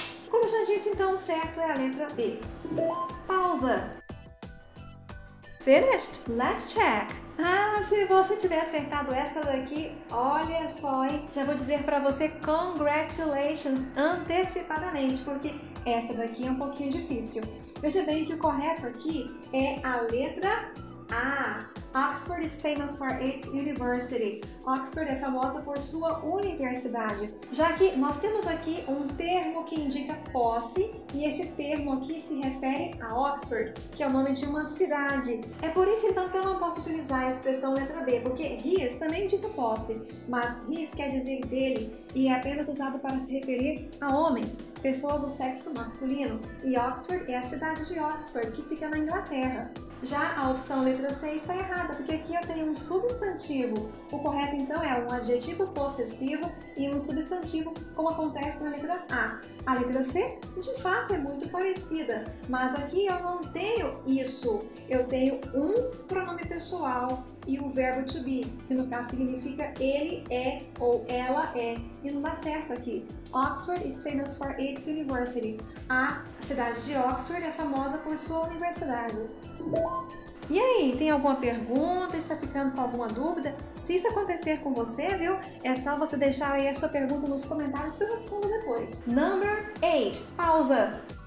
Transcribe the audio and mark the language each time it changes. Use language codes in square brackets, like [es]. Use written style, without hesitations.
[pt] Como já disse, então, o certo é a letra B. Pausa! [en] Finished? Let's check! [pt] Ah, se você tiver acertado essa daqui, olha só, hein? Já vou dizer pra você congratulations antecipadamente, porque essa daqui é um pouquinho difícil. Veja bem que o correto aqui é a letra A. [en] Oxford is famous for its university. [pt] Oxford é famosa por sua universidade. Já que nós temos aqui um termo que indica posse, e esse termo aqui se refere a Oxford, que é o nome de uma cidade. É por isso então que eu não posso utilizar a expressão letra B, porque his também indica posse, mas his quer dizer dele, e é apenas usado para se referir a homens, pessoas do sexo masculino. E Oxford é a cidade de Oxford, que fica na Inglaterra. Já a opção letra C está errada, porque aqui eu tenho um substantivo. O correto, então, é um adjetivo possessivo e um substantivo, como acontece na letra A. A letra C, de fato, é muito parecida, mas aqui eu não tenho isso. Eu tenho um pronome pessoal e o verbo to be, que no caso significa ele é ou ela é. E não dá certo aqui. [en] Oxford is famous for its university. [pt] A cidade de Oxford é famosa por sua universidade. E aí, tem alguma pergunta? Está ficando com alguma dúvida? Se isso acontecer com você, viu? É só você deixar aí a sua pergunta nos comentários que eu respondo depois. [en] Number 8. [pt] Pausa!